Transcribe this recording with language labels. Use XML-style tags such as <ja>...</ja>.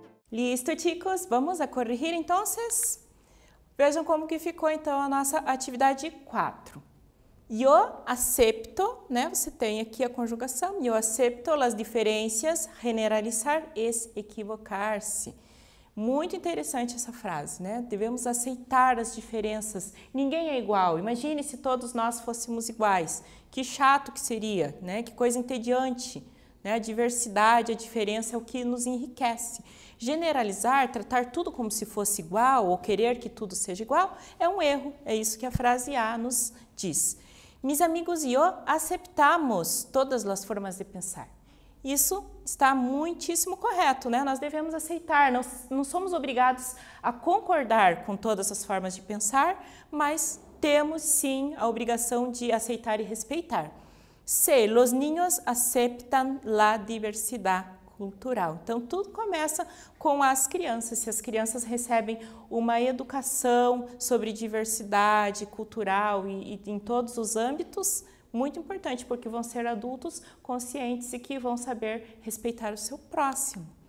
<es>Listo, chicos, vamos a corrigir</es> <pt>então. Vejam como que ficou então a nossa atividade 4.</pt> <es>Yo acepto,</es> <pt>né? Você tem aqui a conjugação.</pt> <es>Yo acepto las diferencias, generalizar es equivocarse.</es> <pt>Muito interessante essa frase, né? Devemos aceitar as diferenças. Ninguém é igual. Imagine se todos nós fôssemos iguais. Que chato que seria, né? Que coisa entediante, né? A diversidade, a diferença é o que nos enriquece. Generalizar, tratar tudo como se fosse igual ou querer que tudo seja igual é um erro. É isso que a frase A nos diz.</pt> <es>Mis amigos e eu aceptamos todas as formas de pensar.</es> <pt>Isso está muitíssimo correto, né? Nós devemos aceitar, não somos obrigados a concordar com todas as formas de pensar, mas temos sim a obrigação de aceitar e respeitar.</pt> <es>Se los niños aceptan la diversidad cultural.</es> <pt>Então, tudo começa com as crianças. Se as crianças recebem uma educação sobre diversidade cultural e em todos os âmbitos, muito importante, porque vão ser adultos conscientes e que vão saber respeitar o seu próximo.</pt>